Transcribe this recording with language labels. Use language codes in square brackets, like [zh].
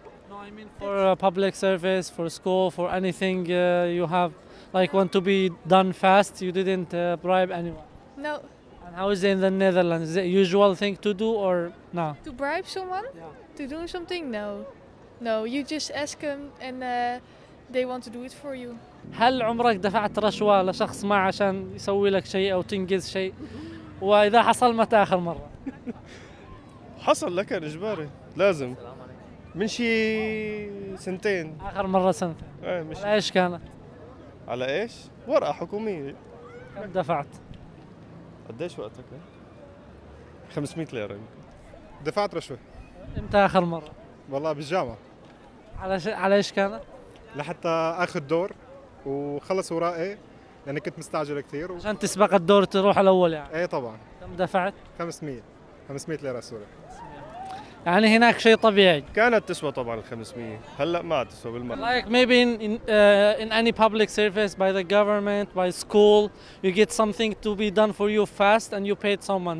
[en] no, I mean for public service, for school, for anything you have, like want to be done fast, you didn't bribe anyone. No. And how is it in the Netherlands? Is it a usual thing to do or no? To bribe someone? Yeah. To do something? No. No, you just ask them and they want to do it for you. [ar] هل عمرك دفعت رشوة لشخص ما عشان يسوي لك شيء أو تنجز شيء؟ وإذا حصل متى آخر مرة؟ حصل لك إجباري لازم. من شي سنتين. آخر مرة سنتين. إيه مش. على إيش كانت؟ على إيش؟ ورقة حكومية. كم دفعت؟ قديش وقتك؟ 500 ليرة. دفعت رشوة. إمتى آخر مرة؟ والله بالجامعة. على إيش كانت؟ لحتى آخذ دور. وخلص ورائي لأني كنت مستعجل كثير عشان تسبق الدور تروح الأول يعني. إيه طبعا. كم دفعت؟ 500 ليرة سوري. يعني هناك شيء طبيعي كانت تسوى طبعا 500 هلأ ما تسوى بالمرة. [en] Like maybe in any public service by the government by school you get something to be done for you fast and you paid someone